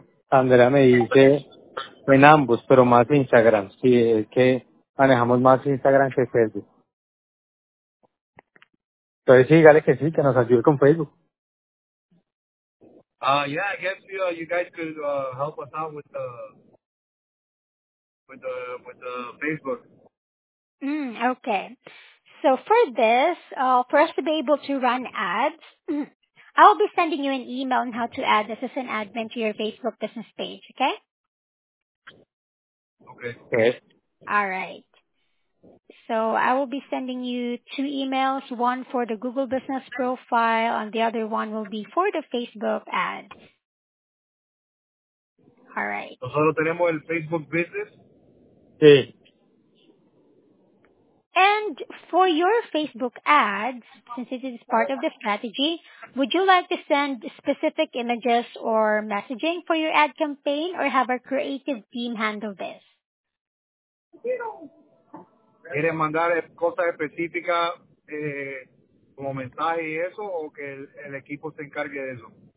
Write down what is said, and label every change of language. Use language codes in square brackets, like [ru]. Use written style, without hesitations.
[es] Andrea me dice en ambos, pero más Instagram. Sí, es que manejamos más Instagram que Facebook. Entonces sí, dale que sí, que nos ayude con Facebook. [en] Yeah, I guess you guys could help us out with the Facebook. Okay. So for this, for us to be able to run ads. I will be sending you an email on how to add this as an admin to your Facebook business page, okay? Okay. All right. So I will be sending you two emails, one for the Google business profile, and the other one will be for the Facebook ads. All right. [es] ¿Nosotros tenemos el Facebook business? Sí. [en] And for your Facebook ads, since it is part of the strategy, would you like to send specific images or messaging for your ad campaign, or have our creative team handle this? [es] ¿Quieres mandar cosas específicas como mensaje y eso, o que el equipo se encargue de eso?